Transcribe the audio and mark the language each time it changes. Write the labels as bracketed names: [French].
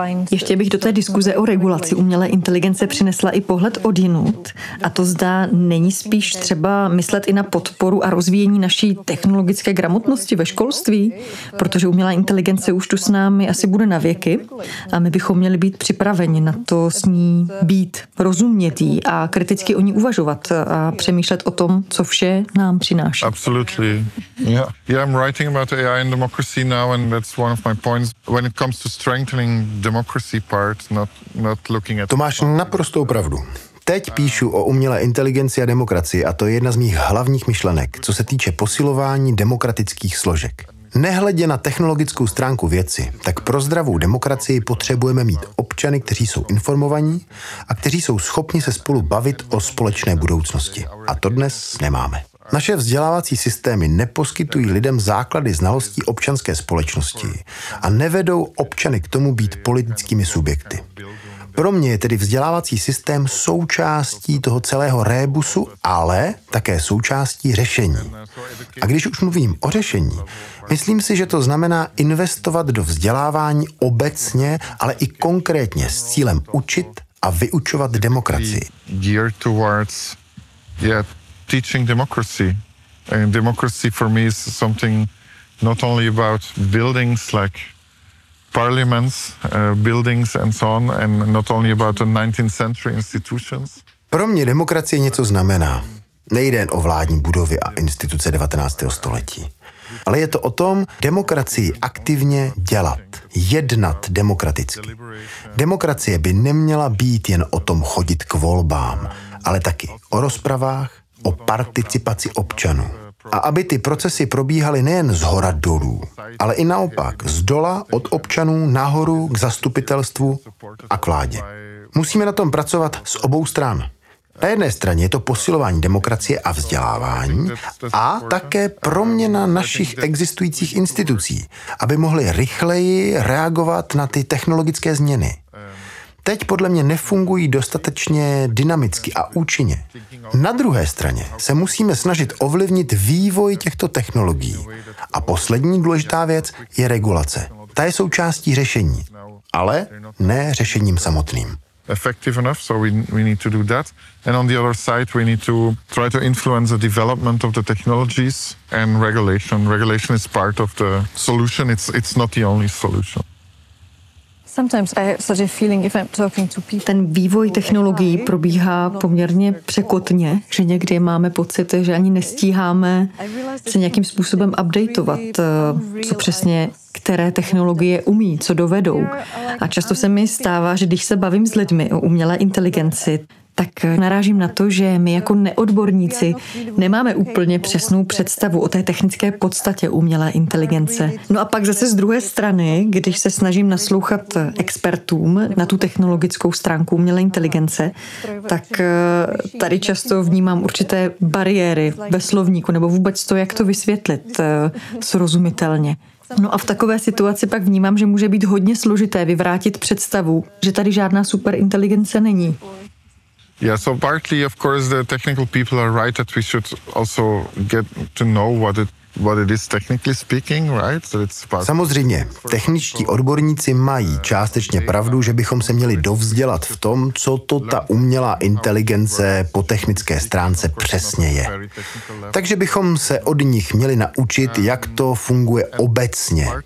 [Czech] Ještě bych do té diskuze o regulaci umělé inteligence přinesla i pohled odjinud, a to zda není spíš třeba myslet i na podporu a rozvíjení naší technologické gramotnosti ve školství, protože umělá inteligence už tu s námi asi bude na věky a my bychom měli být připraveni na to s ní být rozumětí a kriticky o ní uvažovat a přemýšlet o tom, co vše nám přináší. [English] Absolutely. Yeah, I'm writing about AI and democracy now. And that's one of my points when it comes to strengthening democracy part, not looking at. [Czech] To máš naprostou pravdu. Teď píšu o umělé inteligenci a demokracii a to je jedna z mých hlavních myšlenek, co se týče posilování demokratických složek. Nehledě na technologickou stránku věci, tak pro zdravou demokracii potřebujeme mít občany, kteří jsou informovaní a kteří jsou schopni se spolu bavit o společné budoucnosti. A to dnes nemáme. Naše vzdělávací systémy neposkytují lidem základy znalostí občanské společnosti a nevedou občany k tomu být politickými subjekty. Pro mě je tedy vzdělávací systém součástí toho celého rébusu, ale také součástí řešení. A když už mluvím o řešení, myslím si, že to znamená investovat do vzdělávání obecně, ale i konkrétně s cílem učit a vyučovat demokracii. [English] Geared towards teaching democracy. And democracy for me is something not only about buildings like parliaments, buildings and so on, and not only about the 19th century institutions. [Czech] Pro mě demokracie něco znamená. Nejde jen o vládní budovy a instituce 19. století. Ale je to o tom demokracii aktivně dělat, jednat demokraticky. Demokracie by neměla být jen o tom chodit k volbám, ale taky o rozpravách, o participaci občanů. A aby ty procesy probíhaly nejen zhora dolů, ale i naopak zdola od občanů nahoru k zastupitelstvu a k vládě. Musíme na tom pracovat z obou stran. Na jedné straně je to posilování demokracie a vzdělávání a také proměna našich existujících institucí, aby mohly rychleji reagovat na ty technologické změny. Teď podle mě nefungují dostatečně dynamicky a účinně. Na druhé straně se musíme snažit ovlivnit vývoj těchto technologií. A poslední důležitá věc je regulace. Ta je součástí řešení, ale ne řešením samotným. [English] Effective enough, so we need to do that. And on the other side, we need to try to influence the development of the technologies and regulation. Regulation is part of the solution. It's not the only solution. Sometimes I have such a feeling if I'm talking to people. [Czech] Ten vývoj technologií probíhá poměrně překotně, že někdy máme pocit, že ani nestíháme se nějakým způsobem updateovat, co přesně které technologie umí, co dovedou. A často se mi stává, že když se bavím s lidmi o umělé inteligenci, tak narážím na to, že my jako neodborníci nemáme úplně přesnou představu o té technické podstatě umělé inteligence. No a pak zase z druhé strany, když se snažím naslouchat expertům na tu technologickou stránku umělé inteligence, tak tady často vnímám určité bariéry ve slovníku nebo vůbec to, jak to vysvětlit srozumitelně. No a v takové situaci pak vnímám, že může být hodně složité vyvrátit představu, že tady žádná superinteligence není. [English] Yeah, so partly of course the technical people are right that we should also get to know what it is technically speaking, right? So it's part. [Czech] Samozřejmě, techničtí odborníci mají částečně pravdu, že bychom se měli dovzdělat v tom, co to ta umělá inteligence po technické stránce přesně je. Takže bychom se od nich měli naučit, jak to funguje obecně.